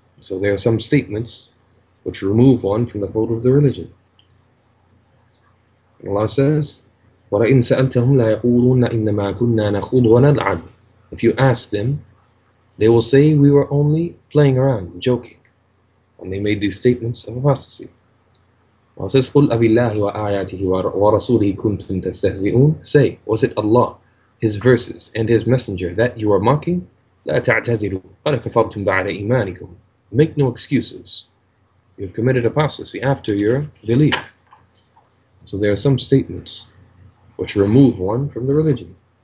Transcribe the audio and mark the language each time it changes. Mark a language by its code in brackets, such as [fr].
[en] So there are some statements which remove one from the fold of the religion. Allah says, [ar] وَلَئِنْ سَأَلْتَهُمْ لَيَقُولُونَّ إِنَّمَا كُنَّا نَخُوضُ وَنَلْعَبُ. [en] If you ask them, they will say, we were only playing around, joking. And they made these statements of apostasy. Allah says, [ar] قُلْ أَبِاللَّهِ وَآيَاتِهِ وَرَسُولِهِ كُنْتُمْ تَسْتَهْزِئُونَ. [en] Say, was it Allah, His verses, and His messenger that you are mocking? [ar] لَا تَعْتَذِرُوا قَدْ كَفَرْتُمْ بَعْدَ إِيمَانِكُمْ. [en] Make no excuses. You have committed apostasy after your belief. So there are some statements which remove one from the religion.